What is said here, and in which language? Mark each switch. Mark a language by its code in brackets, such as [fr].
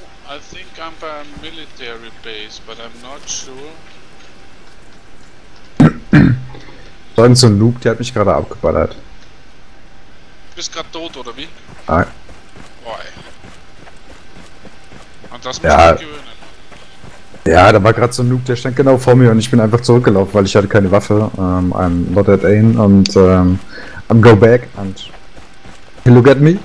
[en] I think I'm by a military base, but I'm not sure. [de] So ein Noob, der hat mich gerade abgeballert. Du bist gerade tot, oder wie? Nein. Boah, ey. Und das musst du dich gewöhnen. Ja, da war gerade so ein Noob, der stand genau vor mir und ich bin einfach zurückgelaufen, weil ich hatte keine Waffe. [en] I'm not at aim und I'm go back and he look at me.